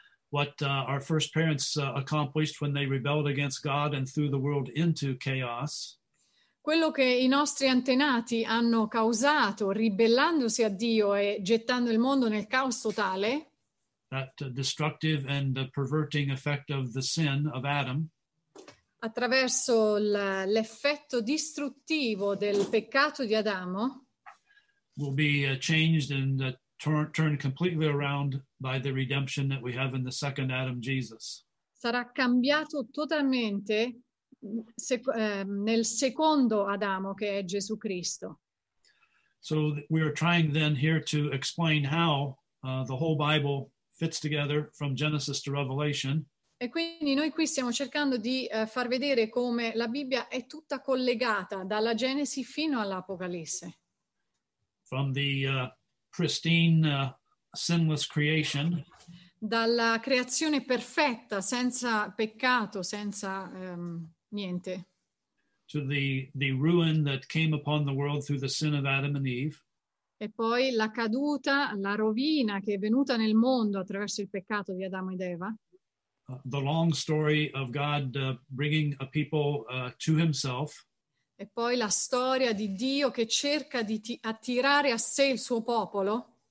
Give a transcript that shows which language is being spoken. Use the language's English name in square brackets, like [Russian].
[English] what our first parents accomplished when they rebelled against God and threw the world into chaos. [Italian] Quello che i nostri antenati hanno causato ribellandosi a Dio e gettando il mondo nel caos totale. [English] That destructive and perverting effect of the sin of Adam. [Italian] Attraverso l'effetto distruttivo del peccato di Adamo. [English] Will be changed and turned completely around by the redemption that we have in the second Adam, Jesus. [Italian] Sarà cambiato totalmente nel secondo Adamo che è Gesù Cristo. [English] So we are trying then here to explain how the whole Bible fits together from Genesis to Revelation. [Italian] E quindi noi qui stiamo cercando di far vedere come la Bibbia è tutta collegata dalla Genesi fino all'Apocalisse. [English] From the pristine sinless creation. [Italian] Dalla creazione perfetta, senza peccato, senza niente. [English] To the ruin that came upon the world through the sin of Adam and Eve. [Italian] E poi la caduta, la rovina che è venuta nel mondo attraverso il peccato di Adamo ed Eva. [English] The long story of God bringing a people to himself. [Italian] E poi la storia di Dio che cerca di attirare a sé il suo popolo.